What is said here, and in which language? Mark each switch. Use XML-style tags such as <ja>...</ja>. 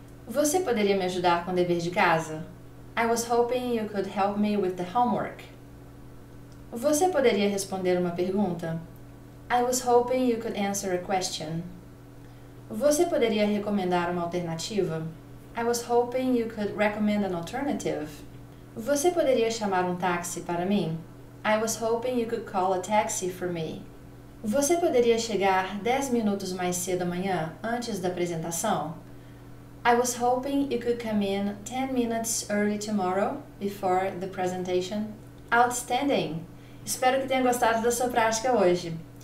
<pt>Você poderia me ajudar com o dever de casa?</pt> <en>I was hoping you could help me with the homework.</en> <pt>Você poderia responder uma pergunta?</pt> <en>I was hoping you could answer a question.</en> <pt>Você poderia recomendar uma alternativa?</pt> <en>I was hoping you could recommend an alternative.</en> <pt>Você poderia chamar um táxi para mim?</pt> <en>I was hoping you could call a taxi for me.</en> <pt>Você poderia chegar 10 minutos mais cedo amanhã, antes da apresentação?</pt> <en>I was hoping you could come in 10 minutes early tomorrow, before the presentation. Outstanding!</en> <pt>Espero que tenha gostado da sua prática hoje.</pt>